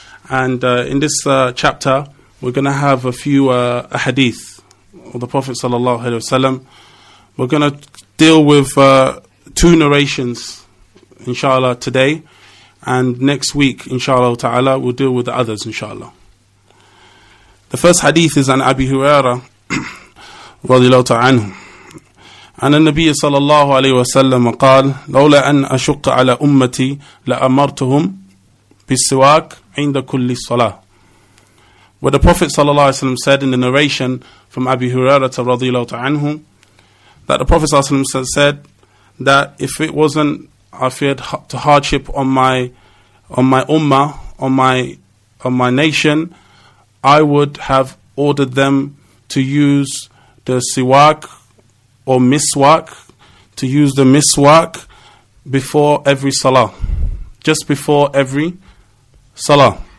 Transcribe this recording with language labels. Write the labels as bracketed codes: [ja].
[en] And in this chapter, we're going to have a few a hadith of the Prophet sallallahu alaihi wasallam. We're going to deal with two narrations, inshallah, today. And next week, inshallah ta'ala, we'll deal with the others, inshallah. The first hadith is an Abi Huraira. [ar] رضي الله تعالى عنه عن النبي صلى الله عليه وسلم قال لولا أن أشق على أمتي لأمرتهم بالسواك عند كل صلاة. [en] What the Prophet [ar] صلى الله عليه وسلم [en] said in the narration from Abi Hurairah [ar] رضي الله تعالى عنه, [en] that the Prophet صلى الله عليه وسلم said that if it wasn't, I feared to hardship on my ummah, on my nation, I would have ordered them to use the siwak or miswak, to use the miswak before every salah, just before every salah.